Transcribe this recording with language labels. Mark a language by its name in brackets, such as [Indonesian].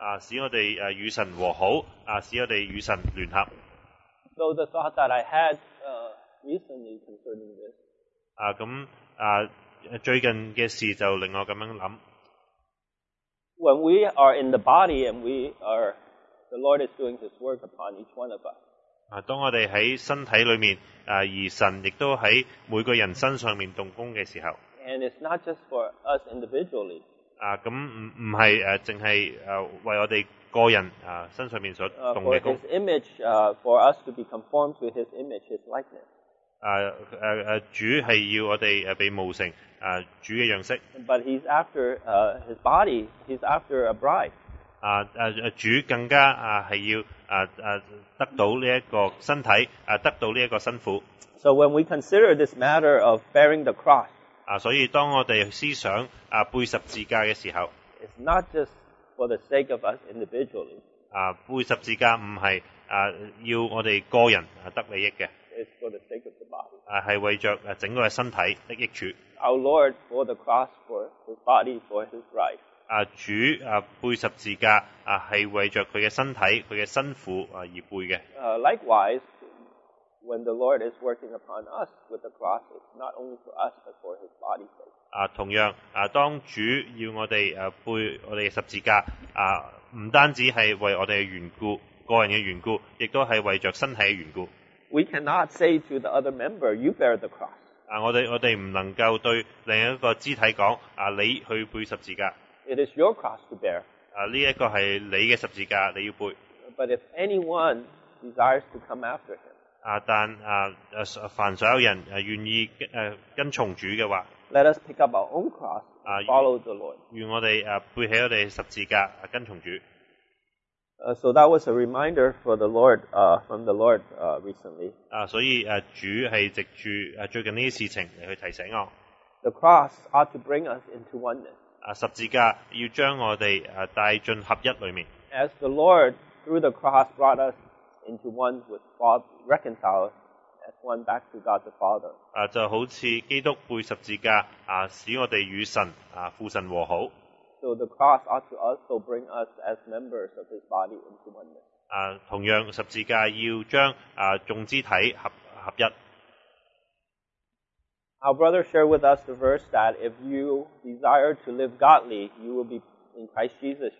[Cantonese] 使我哋与神和好，使我哋与神联合。 [English] So the thought that I had recently concerning this. [Cantonese] 最近嘅事就令我咁样谂。 [English] When we are in the body and we are, the Lord is doing His work upon each one of us. [Cantonese] 当我哋喺身体里面，而神亦都喺每个人身上面动工嘅时候。 [English] And it's not just for us individually. [Cantonese] 咁唔係淨係為我哋個人身上面所動嘅工。 [English] For His image, for us to be conformed to His image, His likeness. [Cantonese] 主係要我哋被慕成主嘅樣式。 [English] But He's after His body. He's after a bride. [Cantonese] 主更加係要得到呢一個身體得到呢一個身婦。 [English] So when we consider this matter of bearing the cross. [Cantonese] 所以当我哋思想背十字架嘅时候 [English] ，It's not just for the sake of us individually。 [Cantonese] 背十字架唔系要我哋个人得利益嘅 [English] ，It's for the sake of the body。 [Cantonese] 系为着整个嘅身体的益处。 [English] Our Lord bore the cross for His body for His bride。 [Cantonese] 主背十字架系为着佢嘅身体佢嘅身父而背嘅。 [English] Likewise。 When the Lord is working upon us with the cross, it's not only for us but for His body's sake. [Cantonese] 同樣當主要我哋背我哋十字架唔單止係為我哋嘅緣故，個人嘅緣故，亦都係為著身體嘅緣故。 [English] We cannot say to the other member, "You bear the cross." [Cantonese] 我哋唔能夠對另一個肢體講你去背十字架。 [English] It is your cross to bear. [Cantonese] 呢一個係你嘅十字架，你要背。 [English] But if anyone desires to come after Him. [Cantonese] 但凡所有人愿意跟从主嘅话 [English] ，Let us pick up our own cross and follow the Lord。 [Cantonese] 愿我哋背起我哋十字架跟从主。 [English] So that was a reminder for the Lord, from the Lord, recently。 [Cantonese] 所以主系藉住最近呢啲事情嚟去提醒我。 [English] The cross ought to bring us into oneness。 [Cantonese] 十字架要将我哋带进合一里面。 [English] As the Lord through the cross brought us。 Into one with Father, reconciled as one back to God the Father. [Cantonese] 就好似基督背十字架使我哋与神父神和好。 [English] So the cross ought to also bring us as members of His body into oneness. [Cantonese] 同样十字架要将众肢体合一。 [English] Our brother shared with us the verse that if you desire to live godly, you will be in Christ Jesus.